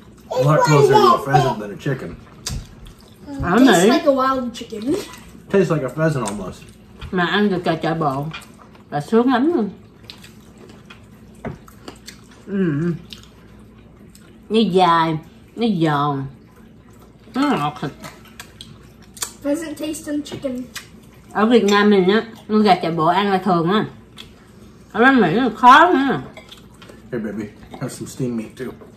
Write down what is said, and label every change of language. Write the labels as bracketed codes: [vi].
[en] A lot closer to a pheasant than a chicken. Tastes like a wild chicken. Tastes like a pheasant almost. [vi] Mà ăn được cà chả bộ là sướng lắm luôn. Nó dài, nó giòn, nó ngọt thật. [en] Pheasant taste and chicken. [vi] Ở Việt Nam mình á, nuôi gà chạy bộ ăn là thường á. Ở bên Mỹ nó khó nữa. [en] Hey baby, have some steamed meat too.